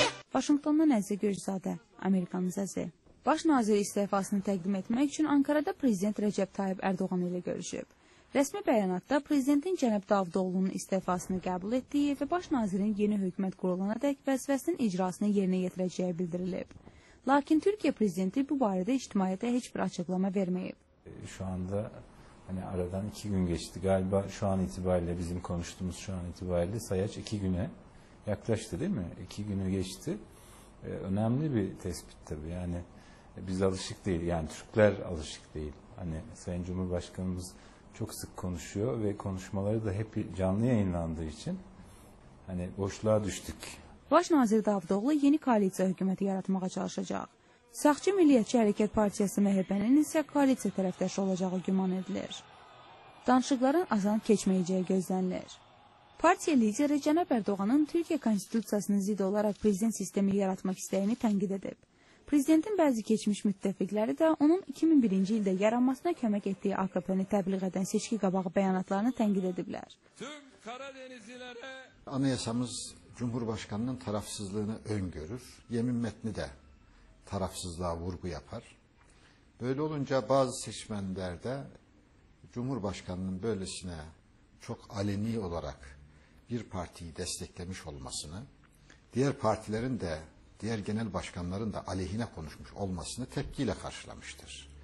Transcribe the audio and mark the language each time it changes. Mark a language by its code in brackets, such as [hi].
[az] Vaşinqtondan Əzizə Gürcüzadə, Amerikanın səsi. Baş nazir istefasını təqdim etmək üçün Ankarada Prezident Rəcəb Tayyib Ərdoğan ilə görüşüb. Rəsmi bəyanatda Prezidentin Cənab Davudoğlu'nun istefasını qəbul etdiyi və baş nazirin yeni hökumət qurulana dək vəzifəsinin icrasını yerinə yetirəcəyi bildirilib. Lakin Türkiye Prezidenti bu barədə ictimaiyyətə heç bir açıqlama verməyib. [tr] Şu anda hani aradan iki gün geçti galiba şu an itibariyle bizim konuştuğumuz şu an itibariyle sayaç iki güne yaklaştı değil mi? İki günü geçti. Önemli bir tespit tabii yani biz alışık değil yani Türkler alışık değil. Hani Sayın Cumhurbaşkanımız çok sık konuşuyor ve konuşmaları da hep canlı yayınlandığı için hani boşluğa düştük. [az] Baş nazir Davudoğlu yeni koalisiya hükümeti yaratmağa çalışacak. Saxçı Milliyetçi Hərəkət Partiyası MHP'nin isə koalisiya tərəfdaşı olacağı güman edilir. Danışıqların azan keçməyəcəyi gözlənilir. Partiya lideri Cənab Ərdoğanın Türkiyə Konstitusiyasının zid olaraq prezident sistemi yaratmaq istəyini tənqid edib. Prezidentin bəzi keçmiş müttəfiqləri də onun 2001-ci ildə yaranmasına kömək etdiyi AKP-ni təbliğ edən seçki qabağı bəyanatlarını tənqid ediblər. [tr] Tüm Karadenizlilərə... Anayasamız Cumhurbaşqanının tarafsızlığını öngörür, yemin metni de tarafsızlığa vurgu yapar. Böyle olunca bazı seçmenlerde Cumhurbaşkanının böylesine çok aleni olarak bir partiyi desteklemiş olmasını, diğer partilerin de diğer genel başkanların da aleyhine konuşmuş olmasını tepkiyle karşılamıştır.